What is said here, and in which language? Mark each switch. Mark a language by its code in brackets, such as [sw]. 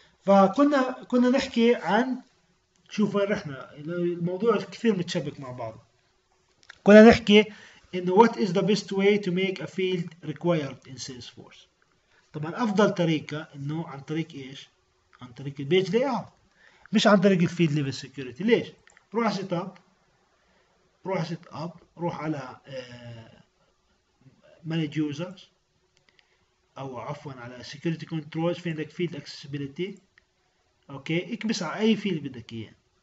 [ar] فكنا نحكي عن، شوف وين رحنا، الموضوع كثير متشابك مع بعض. كنا نحكي انه [en] what is the best way to make a field required in Salesforce. [ar] طبعا افضل طريقه انه عن طريق ايش؟ عن طريق البيج لاي اوت، مش عن طريق الفيلد ليفل سكيورتي. ليش؟ روح على سيت اب، روح على سيت اب، روح على مانج يوزرز، او عفوا على سكيورتي كنترولز، في عندك فيلد اكسسبيلتي، اوكي، اكبس على اي فيلد بدك اياه.